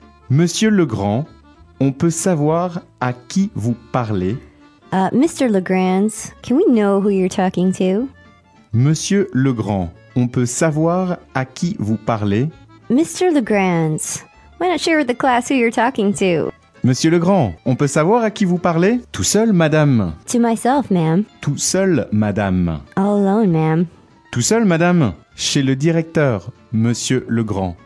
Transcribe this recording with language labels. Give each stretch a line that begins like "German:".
French: Monsieur Legrand, on peut savoir à qui vous parlez.
English: Mr. Legrand, can we know who you're talking to?
French: Monsieur Legrand, on peut savoir à qui vous parlez?
English: Mr. Legrand, why not share with the class who you're talking to?
French: Monsieur Legrand, on peut savoir à qui vous parlez? Tout seul, madame.
English: To myself, ma'am.
French: Tout seul, madame.
English: All alone, ma'am.
French: Tout seul, madame. Chez le directeur, monsieur Legrand.